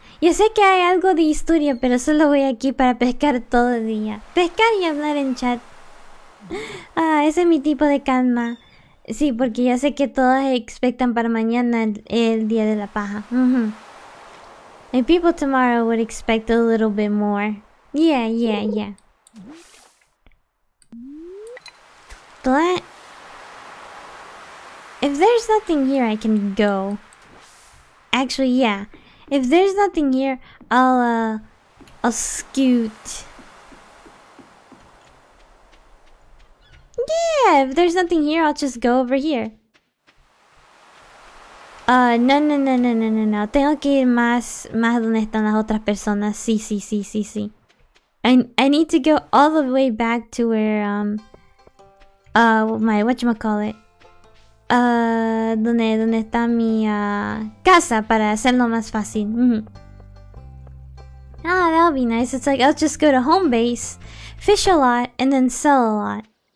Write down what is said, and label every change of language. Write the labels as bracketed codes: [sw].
[es] Yo sé que hay algo de historia, pero solo voy aquí para pescar todo el día. Pescar y hablar en chat. Ah, ese es mi tipo de calma. Sí, porque ya sé que todos expectan para mañana el día de la paja. [en] And people tomorrow would expect a little bit more. Yeah. But if there's nothing here, I can go. Actually, yeah. If there's nothing here, I'll scoot. Yeah, if there's nothing here, I'll just go over here. [es] No. Tengo que ir más donde están las otras personas. Sí. [en] I need to go all the way back to where, my, whatchamacallit? [es] Donde está mi casa para hacerlo más fácil. [en] That'll be nice. It's like I'll just go to home base, fish a lot, and then sell a lot.